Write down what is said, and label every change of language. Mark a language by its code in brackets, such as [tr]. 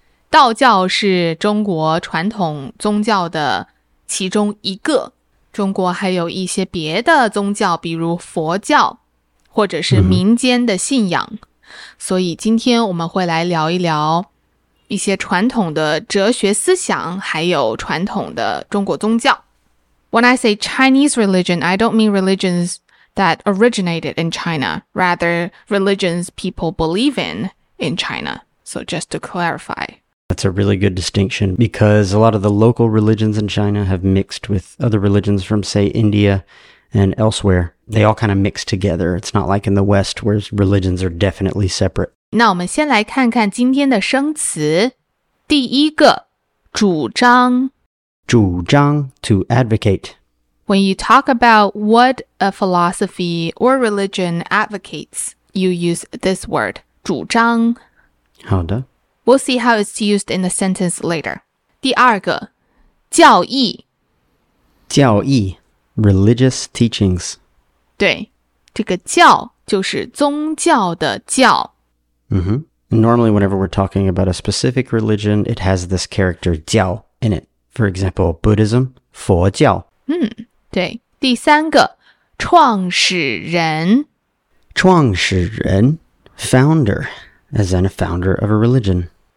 [zh] 道教是中国传统宗教的其中一个。中国还有一些别的宗教，比如佛教，或者是民间的信仰。 Mm-hmm. 所以今天我们会来聊一聊一些传统的哲学思想，还有传统的中国宗教。 [en] When I say Chinese religion, I don't mean religions that originated in China, rather religions people believe in China. So just to clarify. That's a really good distinction because a lot of the local religions in China have mixed with other religions from, say, India and elsewhere. They all kind of mix together. It's not like in the West where religions are definitely separate. [zh] 那我们先来看看今天的生词。第一个，主张。 [en] 主张 to advocate. When you talk about what a philosophy or religion advocates, you use this word, 主张。 [zh] 好的。 [en] We'll see how it's used in a sentence later. [zh] 第二个，教义。 [en] 教义 religious teachings. [zh] 对，这个教就是宗教的教。 Mm-hmm. [en] Normally, whenever we're talking about a specific religion, it has this character 教 in it. For example, Buddhism, 佛教。 [zh] 对。第三个，创始人。 [en] 创始人 founder, as in a founder of a religion.